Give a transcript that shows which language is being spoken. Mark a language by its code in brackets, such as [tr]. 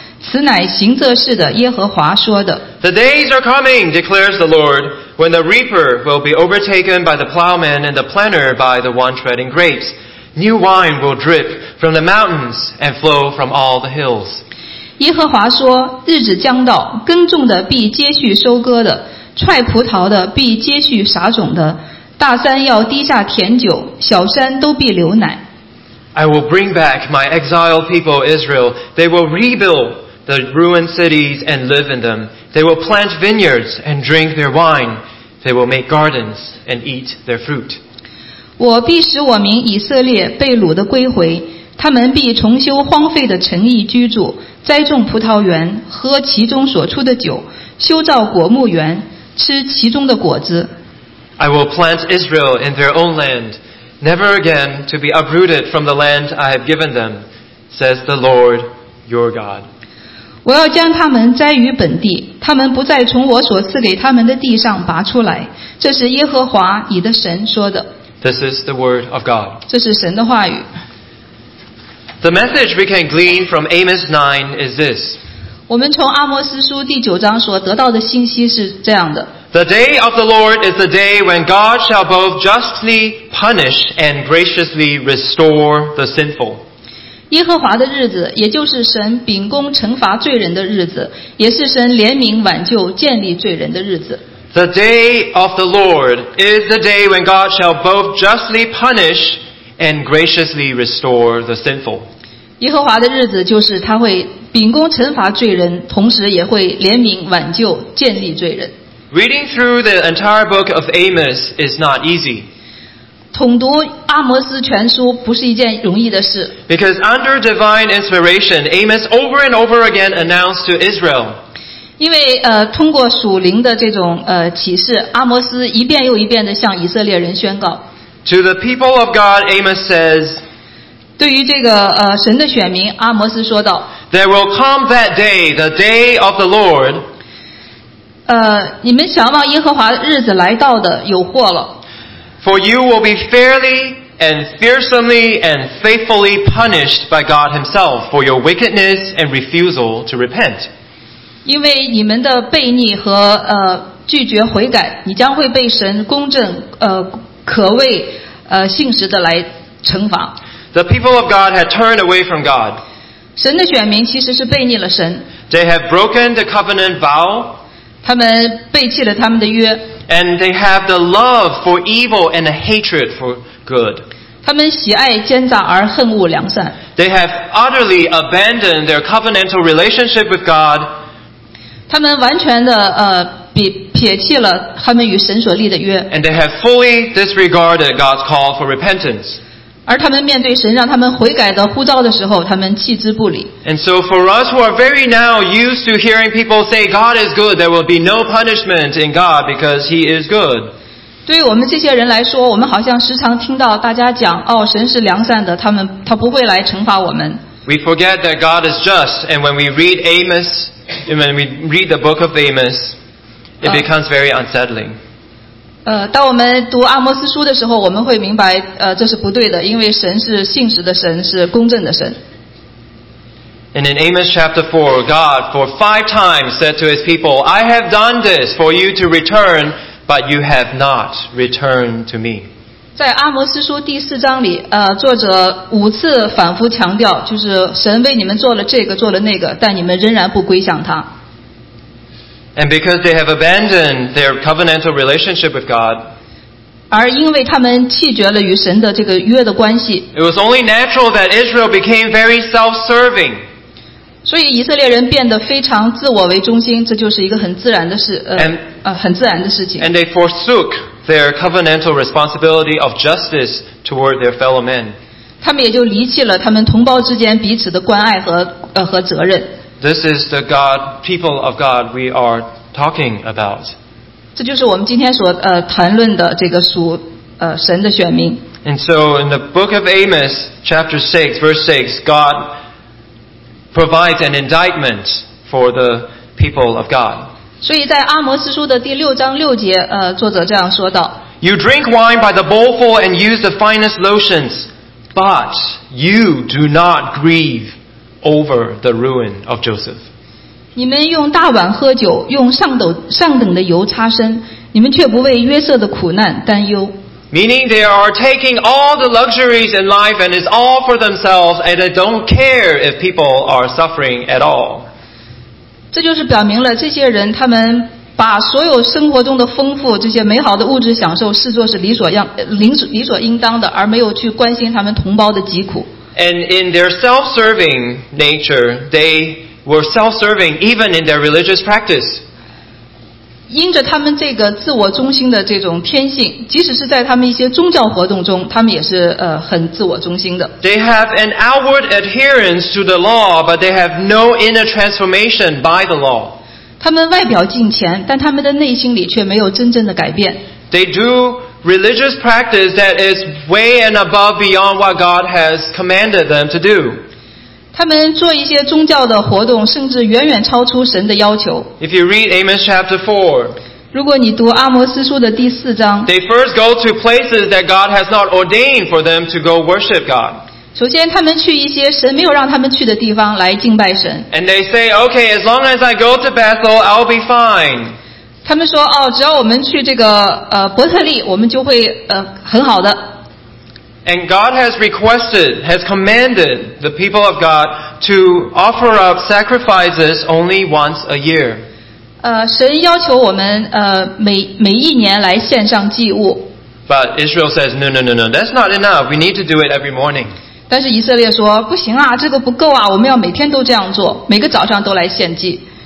[zh] 此乃行这事的耶和华说的。 [en] The days are coming, declares the Lord, when the reaper will be overtaken by the plowman and the planter by the one treading grapes. New wine will drip from the mountains and flow from all the hills. [zh] 耶和华说，日子将到，耕种的必接续收割的，踹葡萄的必接续撒种的，大山要滴下甜酒，小山都必流奶。 [en] I will bring back my exiled people Israel. They will rebuild the ruined cities and live in them. They will plant vineyards and drink their wine. They will make gardens and eat their fruit. [zh] 我必使我民以色列被掳的归回，他们必重修荒废的城邑居住，栽种葡萄园，喝其中所出的酒，修造果木园，吃其中的果子。 [en] I will plant Israel in their own land. Never again to be uprooted from the land I have given them, says the Lord your God. [zh] 我要将他们栽于本地，他们不再从我所赐给他们的地上拔出来。这是耶和华你的神说的。 [en] This is the word of God. [zh] 这是神的话语。 [en] The message we can glean from Amos 9 is this. [zh] 我们从阿摩斯书第九章所得到的信息是这样的。 [en] The day of the Lord is the day when God shall both justly punish and graciously restore the sinful. [zh] 耶和华的日子，也就是神秉公惩罚罪人的日子，也是神怜悯挽救建立罪人的日子。 [en] The day of the Lord is the day when God shall both justly punish and graciously restore the sinful. [zh] 耶和华的日子就是他会秉公惩罚罪人，同时也会怜悯挽救建立罪人。 [en] Reading through the entire book of Amos is not easy. [zh] 统读阿摩斯全书不是一件容易的事。 [en] Because under divine inspiration, Amos over and over again announced to Israel. [zh] 因为通过属灵的这种启示，阿摩斯一遍又一遍地向以色列人宣告。 [en] To the people of God, Amos says. [zh] 对于这个神的选民，阿摩斯说道。 [en] There will come that day, the day of the Lord. [zh] 你们想望耶和华日子来到的有祸了。 [en] For you will be fairly and fearsomely and faithfully punished by God himself for your wickedness and refusal to repent. [zh] 因为你们的悖逆和拒绝悔改，你将会被神公正可畏信实的来惩罚。 [en] The people of God had turned away from God. [zh] 神的选民其实是悖逆了神。 [en] They have broken the covenant vow. [zh] 他们背弃了他们的约。 [en] And they have the love for evil and the hatred for good. [zh] 他们喜爱奸诈而恨恶良善。 [en] They have utterly abandoned their covenantal relationship with God. [zh] 他们完全的撇弃了他们与神所立的约。 [en] And they have fully disregarded God's call for repentance. [zh] 而他们面对神让他们悔改的呼召的时候，他们弃之不理。 [en] And so for us who are very now used to hearing people say God is good, there will be no punishment in God because he is good. [zh] 对于我们这些人来说，我们好像时常听到大家讲，哦，神是良善的，他不会来惩罚我们。 [en] We forget that God is just, and when we read Amos, when we read the book of Amos, it becomes very unsettling. [zh] 当我们读阿摩斯书的时候，我们会明白，这是不对的，因为神是信实的神，是公正的神。 [en] And in Amos chapter 4, God for five times said to his people, I have done this for you to return, but you have not returned to me. [zh] 在阿摩斯书第四章里作者五次反复强调，就是神为你们做了这个做了那个，但你们仍然不归向他。 [en] And because they have abandoned their covenantal relationship with God, [zh] 而因为他们弃绝了与神的这个约的关系， [en] it was only natural that Israel became very self-serving. [zh] 所以以色列人变得非常自我为中心，这就是一个很自然的事，很自然的事情。 [en] And they forsook their covenantal responsibility of justice toward their fellow men. [zh] 他们也就离弃了他们同胞之间彼此的关爱和责任。 [en] This is the God, people of God we are talking about. [zh] 这就是我们今天所谈论的这个属神的选民。 [en] And so in the book of Amos, chapter 6, verse 6, God provides an indictment for the people of God. [zh] 所以在阿摩斯书的第六章六节作者这样说道。 [en] You drink wine by the bowlful and use the finest lotions, but you do not grieve. Over the ruin of Joseph. [zh] 你们用大碗喝酒，用上等的油擦身，你们却不为约瑟的苦难担忧。 [en] Meaning they are taking all the luxuries in life and it's all for themselves and they don't care if people are suffering at all. [zh] 这就是表明了这些人他们把所有生活中的丰富这些美好的物质享受视作是理所应当的，而没有去关心他们同胞的疾苦。 [en] And in their self-serving nature, they were self-serving even in their religious practice. [zh] 因着他们这个自我中心的这种天性，即使是在他们一些宗教活动中，他们也是很自我中心的。 [en] They have an outward adherence to the law, but they have no inner transformation by the law. [zh] 他们外表敬虔，但他们的内心里却没有真正的改变。 [en] They do. Religious practice that is way and above beyond what God has commanded them to do. [zh] 他们做一些宗教的活动，甚至远远超出神的要求。 [en] If you read Amos chapter 4, [zh] 如果你读阿摩斯书的第四章， [en] they first go to places that God has not ordained for them to go worship God. [zh] 首先，他们去一些神没有让他们去的地方来敬拜神。 [en] And they say, okay, as long as I go to Bethel, I'll be fine. [zh] 他们说哦，只要我们去这个伯特利，我们就会很好的。 [en] And God has requested, has commanded the people of God to offer up sacrifices only once a year. [zh] 神要求我们每一年来献上祭物。 [en] But Israel says, no, no, no, no, that's not enough. We need to do it every morning. [zh] 但是以色列说不行啊，这个不够啊，我们要每天都这样做，每个早上都来献祭。